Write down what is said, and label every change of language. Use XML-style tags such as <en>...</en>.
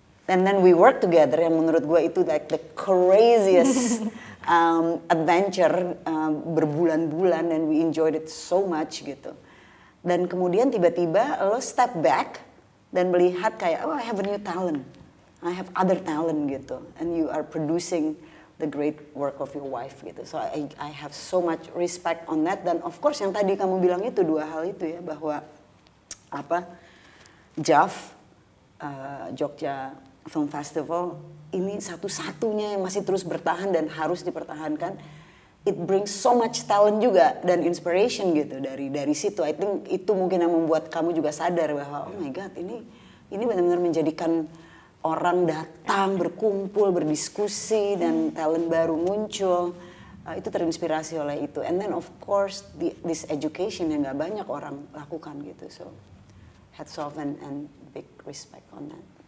<en>And then we work together,</en> <id>yang menurut gue itu</id> <en>like the craziest adventure berbulan-bulan, and we enjoyed it so much gitu.</en> <id>Dan kemudian tiba-tiba lo</id> <en>step back</en> <id>dan melihat kayak,</id> <en>oh, I have a new talent, I have other talent gitu, and you are producing the great work of your wife gitu. So I have so much respect on that.</en> <id>Dan of course yang tadi kamu bilang itu, dua hal itu ya, bahwa apa, JAF, Jogja Film Festival, ini satu-satunya yang masih terus bertahan dan harus dipertahankan.</id> <en>It brings so much talent juga dan inspiration gitu dari situ. I think</en> <id>itu mungkin yang membuat kamu juga sadar bahwa oh my god, ini benar-benar menjadikan orang datang berkumpul berdiskusi dan talent baru muncul. Itu terinspirasi oleh itu.</id> <en>And then of course this education</en> <id>yang gak banyak orang lakukan</id> <en>gitu. So hats off and big respect on that.</en>